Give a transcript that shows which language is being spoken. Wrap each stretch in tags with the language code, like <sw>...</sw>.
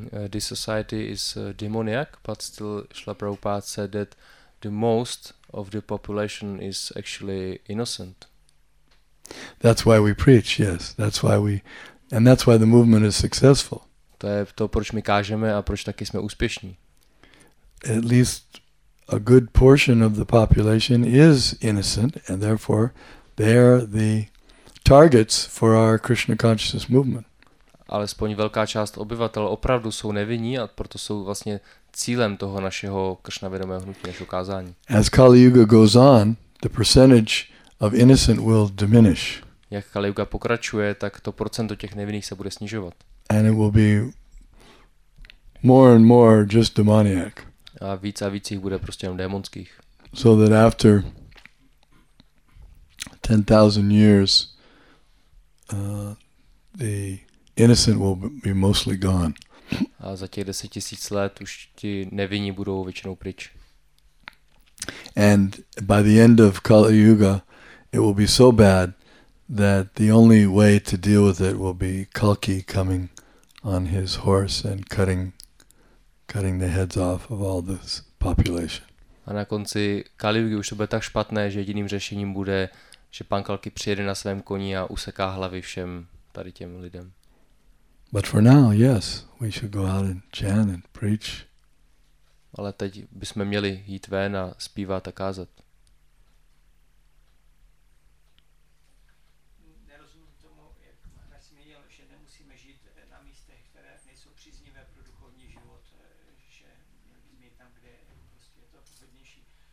<en>This society is demoniac, but still Srila Prabhupada said that the most of the population is actually innocent. That's why we preach, yes. That's why we, and that's why the movement is successful.</en> <cs>To je to, proč my kážeme a proč taky jsme úspěšní.</cs> <en>At least a good portion of the population is innocent, and therefore they're the targets for our Krishna consciousness movement.</en> <cs>Alespoň velká část obyvatel opravdu jsou nevinní a proto jsou vlastně cílem toho našeho Krishna vědomého hnutí, našeho kázání.</cs> <en>As Kali Yuga goes on, the percentage of innocent will diminish.</en> <cs>Jak Kali Yuga pokračuje, tak to procento těch nevinných se bude snižovat.</cs> <en>And it will be more and more just demoniac.</en> <cs>A víc jich bude prostě jenom démonských.</cs> <en>So that after 10,000 years, the innocent will be mostly gone.</en> <cs>A za těch 10,000 let už ti nevinní budou většinou pryč.</cs> <en>And by the end of Kali Yuga, it will be so bad that the only way to deal with it will be Kalki coming on his horse and cutting the heads off of all this population.</en> <cs>A na konci Kali Yuga už to bude tak špatné, že jediným řešením bude, že pan Kalki přijede na svém koni a useká hlavy všem tady těm lidem.</cs> <en>But for now, yes, we should go out and chant and preach.</en> <cs>Ale teď bychom měli jít ven a zpívat a kázat. Nerozumím tomu, jak zmínil, že nemusíme žít na místech, které nejsou příznivé pro duchovní život, že jsme tam, kde prostě je to pohodnější.</cs>